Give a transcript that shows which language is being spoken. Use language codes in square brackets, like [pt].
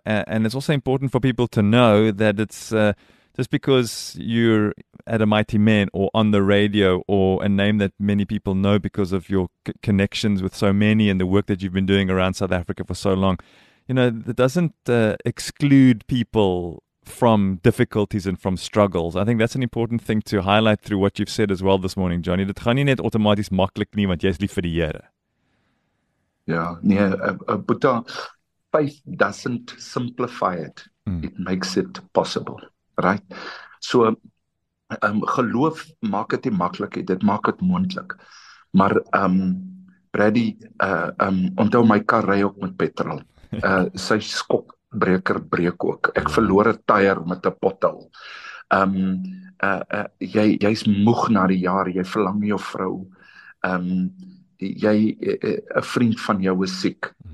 [en] And it's also important for people to know that it's just because you're at a mighty man or on the radio or a name that many people know because of your connections with so many and the work that you've been doing around South Africa for so long, you know, that doesn't exclude people from difficulties and from struggles. I think that's an important thing to highlight through what you've said as well this morning, Johnny. [af] Dit gaan nie net outomaties maklik nie, want jy is lief vir die Here. Ja, nee, Boeta, [en] faith doesn't simplify it. It makes it possible, right? So, [af] geloof maak het nie maklik, dit maak het moontlik. Maar, Brady, onthou my kar ry ook met petrol. Sy skok breker breek ook. Ek verloor 'n tyer met 'n pothol. Jy's moeg na die jaar, jy verlang jou vrou. 'n vriend van jou is siek.